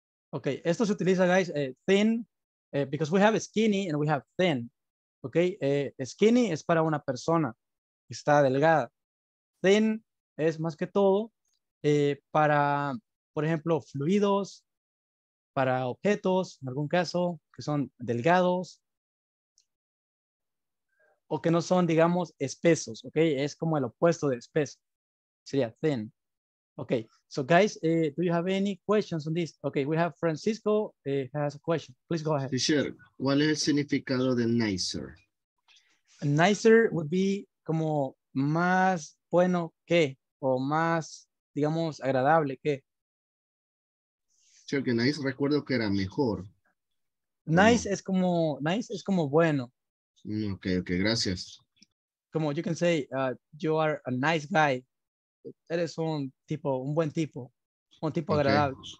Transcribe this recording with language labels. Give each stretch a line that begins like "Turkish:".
English: Ok,
Spanish: esto se utiliza,
English: guys, thin, because we have skinny and we have thin.
Spanish: Ok, skinny es para una persona que está delgada. Thin es más que todo para, por ejemplo, fluidos, para objetos, en algún caso, que son delgados o que no son, digamos, espesos. Ok, es como el opuesto de espeso. Sería thin.
English: Ok, so guys, do you have any questions on this? Ok, we have Francisco has a question. Please go ahead.
Spanish: Teacher, ¿cuál es el significado de nicer?
English: Nicer would be
Spanish: como más bueno que, o más, digamos, agradable que. Teacher, que nice, recuerdo que era mejor. Nice, ¿cómo? Es como, nice es como bueno. Ok, ok, gracias.
English: Como you can say, you are a nice guy.
Spanish: Eres un tipo, un buen tipo, un tipo agradable.